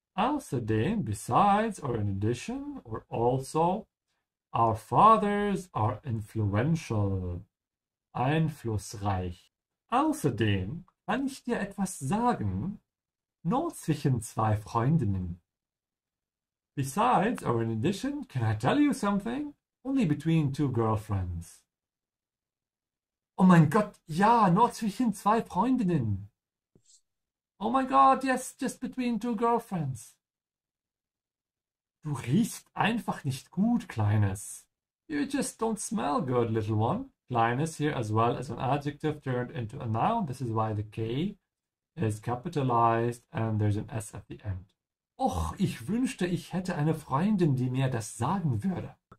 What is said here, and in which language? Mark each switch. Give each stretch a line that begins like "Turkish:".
English: Außerdem, besides, or in addition, or also, our fathers are influential.
German: Einflussreich. Außerdem, kann ich dir etwas sagen? Nur zwischen zwei Freundinnen.
English: Besides, or in addition, can I tell you something? Only between two girlfriends.
German: Oh mein Gott, ja, nur zwischen zwei Freundinnen. Oh mein Gott,
English: yes, just between two girlfriends.
German: Du riechst einfach nicht gut, Kleines.
English: You just don't smell good, little one. Kleines here as well as an adjective turned into a noun. This is why the K is capitalized and there's an S at the end.
German: Och, ich wünschte, ich hätte eine Freundin, die mir das sagen würde.